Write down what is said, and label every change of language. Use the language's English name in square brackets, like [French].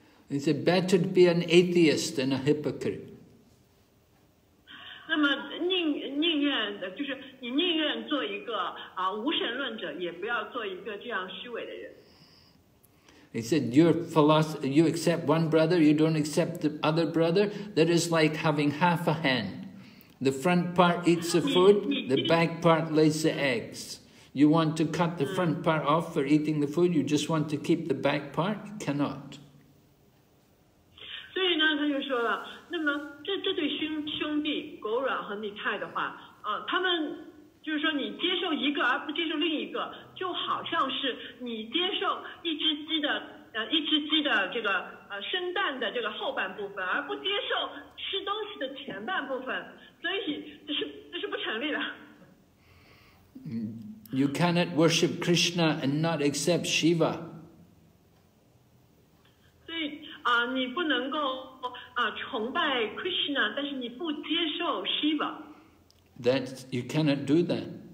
[English] He said, better to be an atheist than a hypocrite. [Chinese] 那么你宁愿做一个无神论者，也不要做一个这样虚伪的人。 [English] He said, you accept one brother, you don't accept the other brother. That is like having half a hen. The front part eats the food, the back part lays the eggs. You want to cut the front part off for eating the food, you just want to keep the back part, you cannot. [Chinese] 所以呢，他就说了，那么这对兄弟狗软和逆菜的话，他们就是说你接受一个而不接受另一个，就好像是你接受一只鸡的这个生蛋的这个后半部分，而不接受吃东西的前半部分，所以这是不成立的。 [English] You cannot worship Krishna and not accept Shiva. [Chinese] 所以你不能够崇拜 Krishna， 但是你不接受 Shiva。 [English] That you cannot do that.